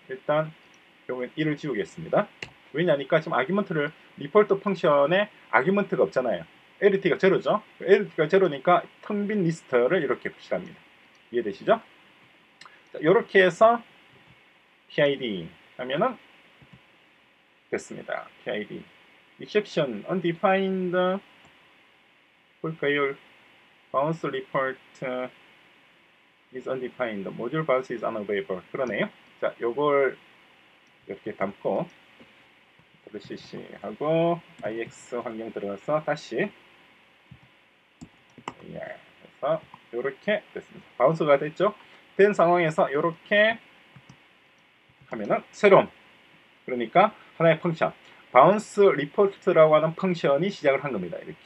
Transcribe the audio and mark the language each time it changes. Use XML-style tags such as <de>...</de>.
<ko>일단 요건 1을 지우겠습니다. 왜냐니까 지금 아규먼트를 리포트 펑션에 아규먼트가 없잖아요. LT가 제로죠. LT가 제로니까 텅 빈 리스트를 이렇게 표시합니다. 이해되시죠? 자, 이렇게 해서 PID 하면은 됐습니다.</ko> <en>PID exception undefined 볼까요? bounce report is undefined. module bounce is unavailable.</en> <ko>그러네요. 자, 요걸 이렇게 담고 cc 하고 ix 환경 들어가서 다시 해서 이렇게 됐습니다. 바운스가 됐죠. 된 상황에서 이렇게 하면은 새로운 그러니까 하나의 펑션 바운스 리포트라고 하는 펑션이 시작을 한 겁니다.</ko>